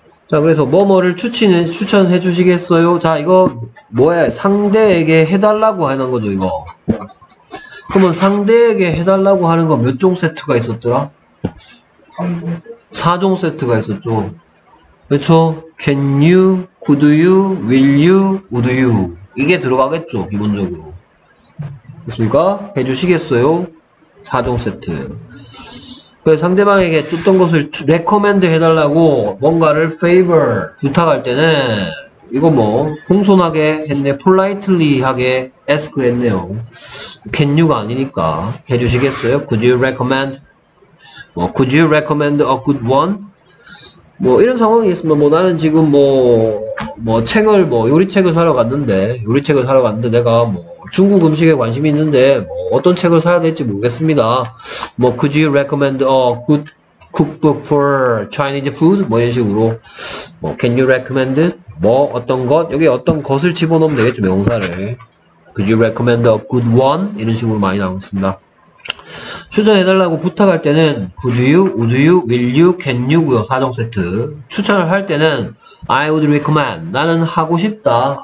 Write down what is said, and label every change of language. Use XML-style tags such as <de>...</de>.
<ko>자, 그래서 뭐뭐를 추천해 주시겠어요? 자, 이거 뭐에 상대에게 해달라고 하는 거죠, 이거. 그러면 상대에게 해달라고 하는 거몇종 세트가 있었더라? 4종 세트가 있었죠. 그렇죠?</ko> <en>Can you, could you, will you, would you?</en> <ko>이게 들어가겠죠, 기본적으로. 그렇습니까? 해주시겠어요? 4종 세트. 그래서 상대방에게 어떤 것을 recommend 해달라고 뭔가를 favor, 부탁할 때는 이거 뭐, 공손하게 했네, politely 하게 ask 했네요.</ko> <en>Can you가</en> <ko>아니니까. 해주시겠어요?</ko> <en>Could you recommend? 뭐, could you recommend a good one?</en> <ko>뭐 이런 상황이 있으면 뭐 나는 지금 뭐뭐 뭐 책을 뭐 요리책을 사러 갔는데 요리책을 사러 갔는데 내가 뭐 중국 음식에 관심이 있는데 뭐 어떤 책을 사야 될지 모르겠습니다.</ko> <en>뭐 Could you recommend a good cookbook for Chinese food?</en> <ko>뭐 이런 식으로 뭐</ko> <en>Can you recommend</en> <ko>뭐 어떤 것? 여기 어떤 것을 집어넣으면 되겠죠, 명사를.</ko> <en>Could you recommend a good one?</en> <ko>이런 식으로 많이 나오고 있습니다. 추천해달라고 부탁할 때는</ko> <en>Could you, would you, will you, can you</en> <ko>고요. 4종 세트. 추천을 할 때는</ko> <en>I would recommend.</en> <ko>나는 하고 싶다.</ko>